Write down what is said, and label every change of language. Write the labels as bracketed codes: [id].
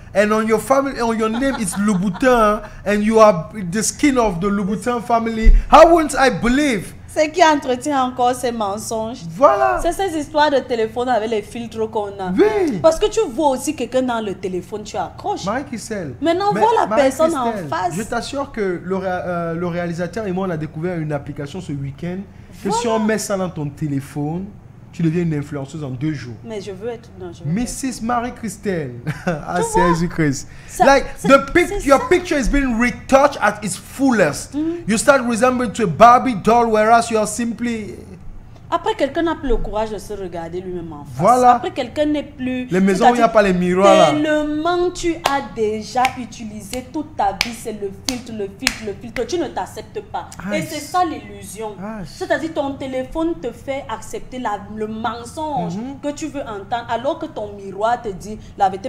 [en] And on your family, on your name is Louboutin, and you are the skin of the Louboutin family. How won't I believe? [fr] Ce qui entretient encore ces mensonges. Voilà. C'est ces histoires de téléphone avec les filtres qu'on a. Oui. Parce que tu vois aussi quelqu'un dans le téléphone, tu accroches. Marie-Christelle. Maintenant, vois la personne en face. Je t'assure que le réalisateur et moi, on a découvert une application ce week-end. Voilà. Que si on met ça dans ton téléphone, tu deviens une influenceuse en deux jours. Mais je veux être... Non, [en] Mrs. Marie-Christelle. Ah, Jésus-Christ. Like, your picture is being retouched at its fullest. Mm-hmm. You start resembling to a Barbie doll, whereas you are simply... [fr] Après, quelqu'un n'a plus le courage de se regarder lui-même en face. Voilà. Après, quelqu'un n'est plus... Les maisons où il n'y a pas les miroirs, là. Tellement tu as déjà utilisé toute ta vie, c'est le filtre. Tu ne t'acceptes pas. Ah, et c'est ça l'illusion. Ah, c'est-à-dire, ton téléphone te fait accepter le mensonge que tu veux entendre, alors que ton miroir te dit la vérité.